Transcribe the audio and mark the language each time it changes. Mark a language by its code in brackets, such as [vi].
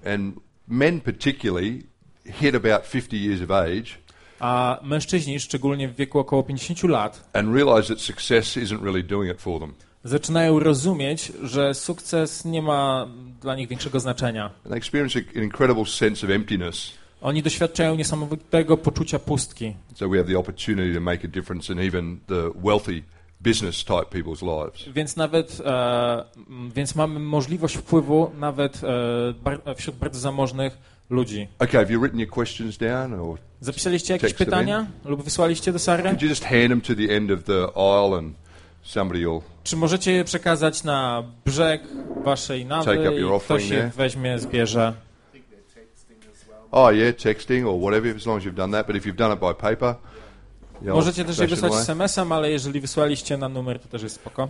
[en] And men particularly hit about 50 years of age. [pl] A mężczyźni, szczególnie w wieku około 50 lat, [en] and realize that success isn't really doing it for them. [pl] Zaczynają rozumieć, że sukces nie ma dla nich większego znaczenia. [en] And they experience an incredible sense of emptiness. [pl] Oni doświadczają niesamowitego poczucia pustki. [en] So we have the opportunity to make a difference in even the wealthy business type people's lives. [pl] Więc nawet więc mamy możliwość wpływu nawet wśród bardzo zamożnych ludzi. [en] Okay, have you written your questions down or [pl] zapisaliście jakieś pytania lub wysłaliście do Sary? [en] Could you just hand them to the end of the aisle and somebody will. [pl] Czy możecie je przekazać na brzeg waszej nawy? [en] Take up your offering there. [pl] Ktoś je weźmie, zbierze. [en] Oh yeah, texting or whatever, as long as you've done that. But if you've done it by paper, you know, [pl] możecie też je wysłać SMS-em, ale jeżeli wysłaliście na numer, to też jest spoko.